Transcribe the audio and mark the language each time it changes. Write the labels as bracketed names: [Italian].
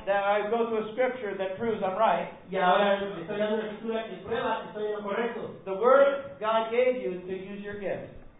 [English] That I go to a scripture that proves I'm right. [Spanish] Y ahora estoy dando una escritura que prueba que estoy en lo correcto. [English] The word God gave you to use your gift.